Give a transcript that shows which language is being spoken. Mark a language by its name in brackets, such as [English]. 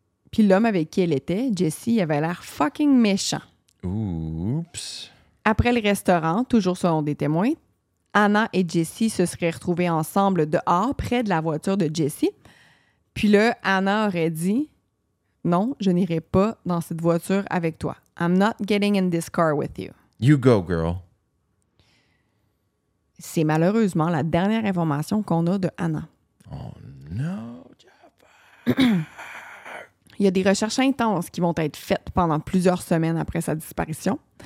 [French] Puis l'homme avec qui elle était, Jesse, il avait l'air fucking méchant. Oups. Après le restaurant, toujours selon des témoins, Anna et Jesse se seraient retrouvés ensemble dehors, près de la voiture de Jesse. Puis là, Anna aurait dit « Non, je n'irai pas dans cette voiture avec toi. [English] I'm not getting in this car with you. » You go, girl. [French] C'est malheureusement la dernière information qu'on a de Anna. [English] Oh no, [French] Il y a des recherches intenses qui vont être faites pendant plusieurs semaines après sa disparition.